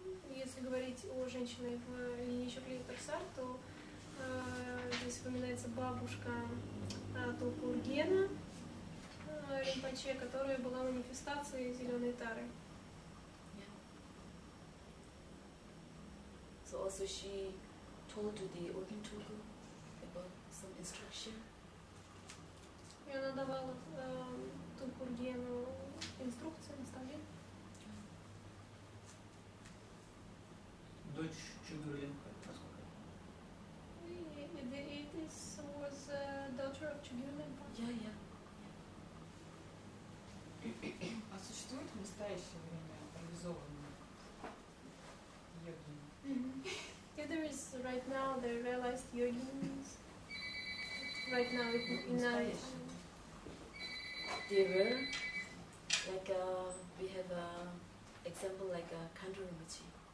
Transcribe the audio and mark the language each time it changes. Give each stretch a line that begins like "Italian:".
Russian: И если говорить о женщине в линии Чуплинтерсар, то здесь вспоминается бабушка Тулку Ургена Ринпоче, которая была манифестацией зеленой Тары.
English: Yeah. So also she told the Ogyen Tulku about some instruction.
Russian: И она давала Тулку-Ургену инструкции, наставления. Дочь Чугюр-Линпа, насколько?
English: It is, was a daughter of Чугюр-Линпа. Yeah, yeah.
Russian: А существует в настоящее время реализованный йогин?
English: Yeah, there is right now the realized yogins. Right now it is nice. Dear, like we have a example like a Khandru Rinpoche.